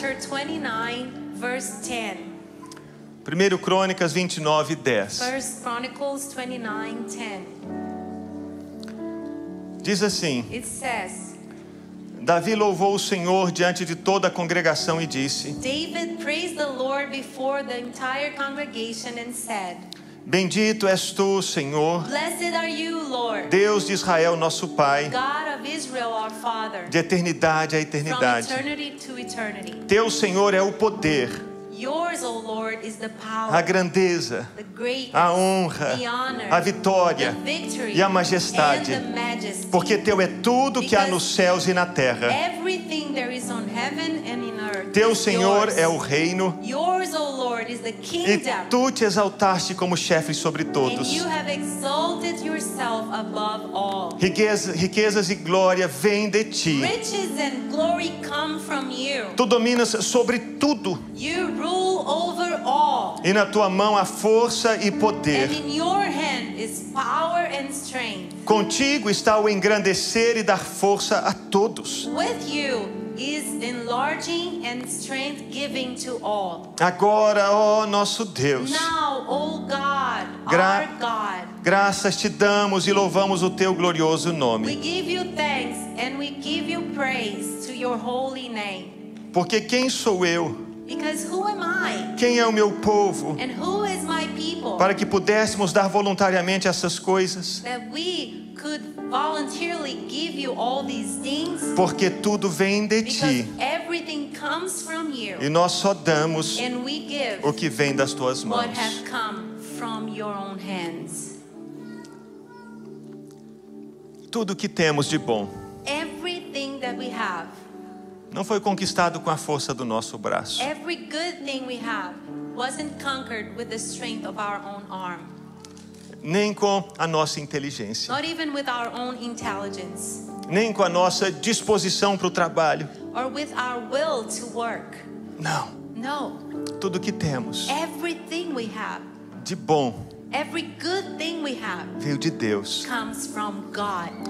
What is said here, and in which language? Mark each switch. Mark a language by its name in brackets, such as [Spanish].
[English] Chapter 29, verse 10. [Portuguese] Primeiro Crônicas 29, 10. [English] First Chronicles 29:10. [Portuguese] Diz assim: [English] It says, [Portuguese] Davi louvou o Senhor diante de toda a congregação e disse: [English] David praised the Lord before the entire congregation and said, [Portuguese] Bendito és tu, Senhor, [English] Blessed are you, Lord, [Portuguese] Deus de Israel, nosso Pai, [English] God of Israel, our Father, [Portuguese] de eternidade a eternidade. [English] From eternity to eternity. [Portuguese] Teu Senhor é o poder, [English] Yours, oh Lord, is the power, [Portuguese] a grandeza, [English] the great, [Portuguese] a honra, [English] the honor, [Portuguese] a vitória, [English] the victory, [Portuguese] e a majestade, [English] and the majesty, [Portuguese] porque Teu é tudo que há nos céus e na terra. [English] Everything there is on heaven and in earth, [Portuguese] Teu Senhor é o reino, [English] Yours, oh Lord, is the kingdom, [Portuguese] e Tu Te exaltaste como chefe sobre todos. [English] And you have exalted yourself above all. [Portuguese] Riquezas e glória vêm de Ti. [English] Riches and glory come from you. [Portuguese] Tu dominas sobre tudo. [English] You rule over all. [Portuguese] E na Tua mão há força e poder. [English] And in your hand is power and strength. [Portuguese] Contigo está o engrandecer e dar força a todos. [English] With you is enlarging and strength giving to all. [Portuguese] Agora, ó nosso Deus. [English] Now, O God, our God. [Portuguese] Graças te damos e louvamos o teu glorioso nome. [English] We give you thanks and we give you praise to your holy name. [Portuguese] Porque quem sou eu? [English] Because who am I? [Portuguese] Quem é o meu povo? [English] And who is my people? [Portuguese] Para que pudéssemos dar voluntariamente essas coisas? [English] That we could voluntarily give you all these things. [Portuguese] Porque tudo vem de ti. [English] Because everything comes from you. [Portuguese] E nós só damos [English] and we give [Portuguese] o que vem das tuas mãos. [English] What has come from your own hands. [Portuguese] Tudo que temos de bom. [English] Everything that we have. [Portuguese] Não foi conquistado com a força do nosso braço. [English] Every good thing we have wasn't conquered with the strength of our own arm. [Portuguese] Nem com a nossa inteligência. [English] Not even with our own intelligence. [Portuguese] Nem com a nossa disposição para o trabalho. [English] Or with our will to work. [Portuguese] Não. [English] No. [Portuguese] Tudo que temos. [English] Everything we have. [Portuguese] De bom. [English] Every good thing we have. [Portuguese] Veio de Deus. [English] Comes from God.